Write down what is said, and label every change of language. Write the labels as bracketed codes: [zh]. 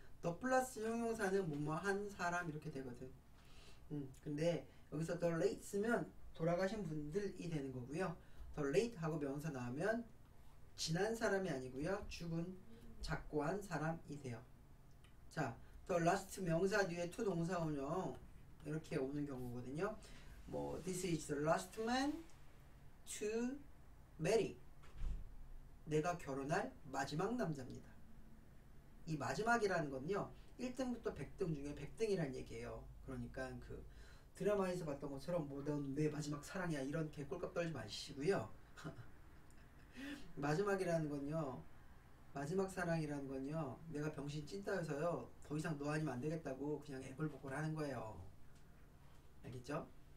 [ko] 더 플러스 형용사는 뭐뭐 한 사람 이렇게 되거든. 근데 여기서 더 late 쓰면 돌아가신 분들이 되는 거고요. 더 late 하고 명사 나오면 지난 사람이 아니고요, 죽은, 작고한 사람이세요. 자, the last 명사 뒤에 to 동사 운용 이렇게 오는 경우거든요. [en] 뭐, this is the last man to marry. [ko] 내가 결혼할 마지막 남자입니다. 이 마지막이라는 건요, 1등부터 100등 중에 100등이란 얘기예요. 그러니까 그 드라마에서 봤던 것처럼 뭐, 넌내 마지막 사랑이야, 이런 개꿀값 떨지 마시고요. 마지막이라는 건요, 마지막 사랑이라는 건요, 내가 병신 찐따여서요, 더 이상 너 아니면 안 되겠다고 그냥 애벌복걸하는 거예요. 알겠죠?